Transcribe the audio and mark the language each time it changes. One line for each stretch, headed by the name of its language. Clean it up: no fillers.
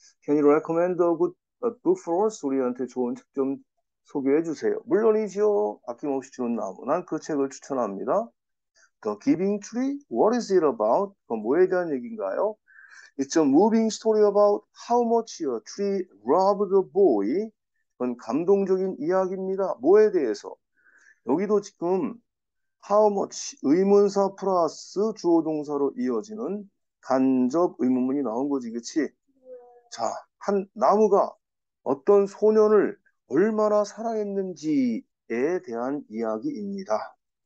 English: Can you recommend a good book for us?
Korean: 우리한테 좋은 책좀 소개해 주세요. 물론이지요. 아낌없이 주는 나무. 난그 책을 추천합니다. The Giving Tree?
English: What is it about?
Korean: 그건 뭐에 대한 얘기인가요?
English: It's a moving story about how much a tree loved the boy.
Korean: 그건 감동적인 이야기입니다. 뭐에 대해서? 여기도 지금 how much 의문사 플러스 주어 동사로 이어지는 간접 의문문이 나온 거지, 그치? 자, 한 나무가 어떤 소년을 얼마나 사랑했는지에 대한 이야기입니다.